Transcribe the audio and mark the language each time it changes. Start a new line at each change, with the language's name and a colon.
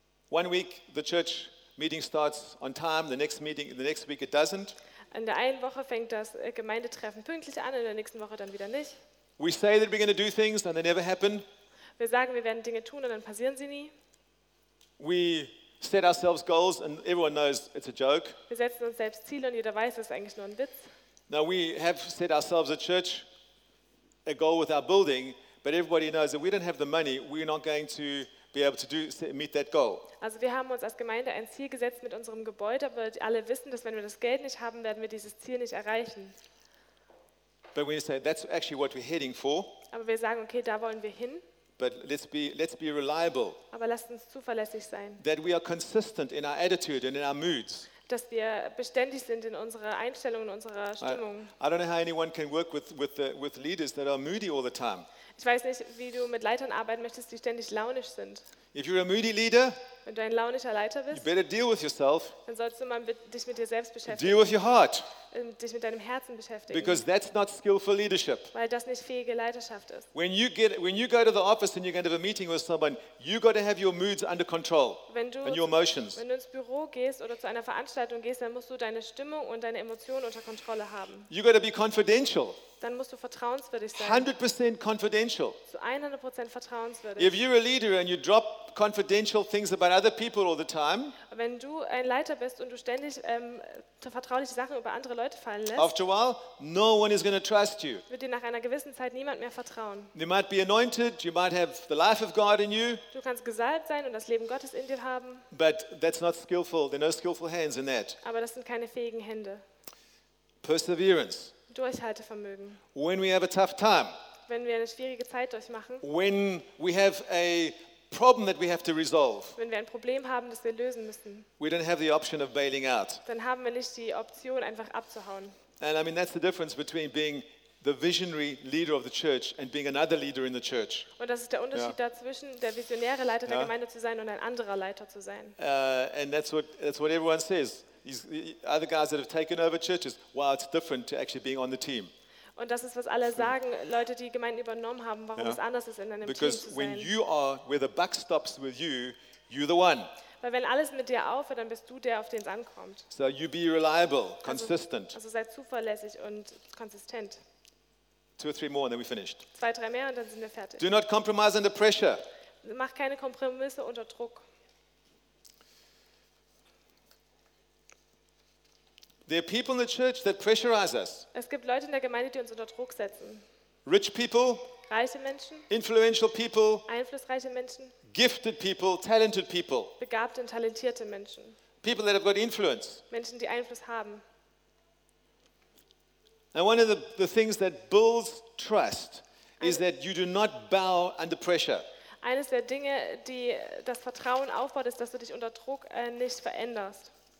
English: One week the church meeting starts on time. The next week it doesn't.
German: In der einen Woche fängt das Gemeindetreffen pünktlich an, in der nächsten Woche dann wieder nicht.
English: We say that we're going to do things and they never happen.
German: Wir sagen, wir werden Dinge tun und dann passieren sie nie.
English: We set ourselves goals and everyone knows it's a joke.
German: Wir setzen uns selbst Ziele und jeder weiß, es ist eigentlich nur ein Witz.
English: Now we have set ourselves a church a goal with our building, but everybody knows that we don't have the money, we're not going to be able to meet that goal.
German: Also wir haben uns als Gemeinde ein Ziel gesetzt mit unserem Gebäude, aber alle wissen, dass wenn wir das Geld nicht haben, werden wir dieses Ziel nicht erreichen.
English: But we say that's actually what we're heading for.
German: Aber wir sagen, okay, da wollen wir hin.
English: But let's be reliable.
German: Aber lasst uns zuverlässig sein.
English: That we are consistent in our attitude and in our moods.
German: Dass wir beständig sind in unserer Einstellung und unserer Stimmung.
English: I don't know how anyone can work with leaders that are moody all the time.
German: Ich weiß nicht, wie du mit Leitern arbeiten möchtest, die ständig launisch sind.
English: If you're a moody leader,
German: wenn du ein launischer Leiter bist,
English: you better deal with yourself.
German: Dann solltest du mal dich mit dir selbst beschäftigen.
English: Deal with your heart.
German: Dich mit deinem Herzen beschäftigen.
English: Because that's not skillful leadership.
German: Weil das nicht fähige Leiterschaft ist.
English: When you go to the office and you're going to have a meeting with someone, you got to have your moods under control and your emotions.
German: Wenn du ins Büro gehst oder zu einer Veranstaltung gehst, dann musst du deine Stimmung und deine Emotionen unter Kontrolle haben.
English: You got to be confidential.
German: Dann musst du vertrauenswürdig sein.
English: 100% confidential.
German: Zu 100% vertrauenswürdig.
English: If you're a leader and you drop confidential things about other people all the time.
German: Wenn du ein Leiter bist und du ständig vertrauliche Sachen über andere Leute fallen lässt.
English: After a while, no one is going to trust you.
German: Wird dir nach einer gewissen Zeit niemand mehr vertrauen.
English: You might be anointed, you might have the life of God in you.
German: Du kannst gesalbt sein und das Leben Gottes in dir haben.
English: But that's not skillful. There are no skillful hands in that.
German: Aber das sind keine fähigen Hände.
English: Perseverance.
German: Durchhaltevermögen.
English: When we have a tough time.
German: Wenn wir eine schwierige Zeit durchmachen.
English: When we have a problem that we have to resolve.
German: Wenn wir ein Problem haben, das wir lösen müssen.
English: We don't have the option of bailing out.
German: Dann haben wir nicht die Option, einfach abzuhauen.
English: And I mean that's the difference between being the visionary leader of the church and being another leader in the church.
German: Und das ist der Unterschied dazwischen, der visionäre Leiter der Gemeinde zu sein und ein anderer Leiter zu sein.
English: And that's what everyone says. These other guys that have taken over churches, wow, it's different to actually being on the team.
German: Und das ist, was alle sagen, Leute, die Gemeinden übernommen haben, warum es anders ist, in einem Team zu sein.
English: Because when you are where the buck stops with you, you're the one.
German: Weil wenn alles mit dir aufhört, dann bist du der, auf den es ankommt.
English: So you be reliable, consistent.
German: Also sei zuverlässig und konsistent.
English: Two or three more and then we're finished.
German: Zwei, drei mehr und dann sind wir fertig.
English: Do not compromise under pressure.
German: Mach keine Kompromisse unter Druck.
English: There are people in the church that pressurize us.
German: Es gibt Leute in der Gemeinde, die uns unter Druck setzen.
English: Rich people.
German: Reiche Menschen.
English: Influential people.
German: Einflussreiche Menschen.
English: Gifted people, talented people.
German: Begabte und talentierte Menschen.
English: People that have got influence.
German: Menschen, die Einfluss haben.
English: And one of the things that builds trust is that you do not bow under pressure.
German: Eines der Dinge, die das Vertrauen aufbaut, ist, dass du dich unter Druck nicht veränderst.